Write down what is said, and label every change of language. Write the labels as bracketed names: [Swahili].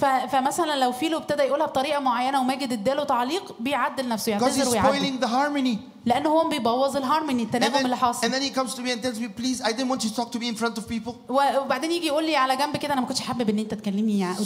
[Arabic] فمثلا لو فيلو ابتدى يقولها بطريقه معينه وماجد اداله تعليق بيعدل نفسه يعتذر ويعدل. [English] Because he's spoiling the harmony. [Arabic] لانه هو بيبوظ الهارموني التناغم اللي حاصل. [English] And then he comes to me and tells me, please, I didn't want you to talk to me in front of people. [Arabic] وبعدين يجي يقول لي على جنب كده انا ما كنتش حابب ان انت تكلمني يعني.